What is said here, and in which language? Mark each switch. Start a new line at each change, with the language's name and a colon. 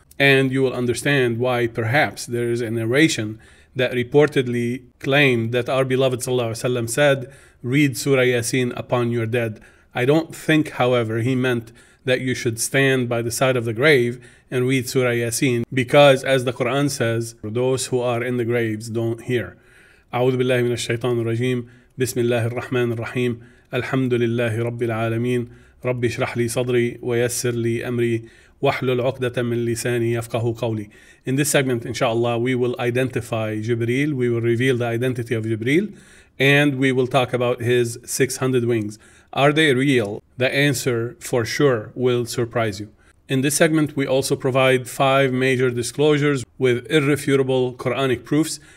English: And you will understand why perhaps there is a narration that reportedly claimed that our beloved Sallallahu Alaihi Wasallam said, read Surah Yasseen upon your dead. I don't think, however, he meant that you should stand by the side of the grave and read Surah Yasseen, because as the Quran says, those who are in the graves don't hear.
Arabic: أعوذ بالله من الشيطان الرجيم بسم الله الرحمن الرحيم الحمد لله رب العالمين رب اشرح لي صدري ويسر لي أمري واحلل عقدة من لساني يفقه قولي.
English: In this segment, inshallah, we will identify Jibreel, we will reveal the identity of Jibreel, and we will talk about his 600 wings. Are they real? The answer for sure will surprise you. In this segment, we also provide 5 major disclosures with irrefutable Quranic proofs.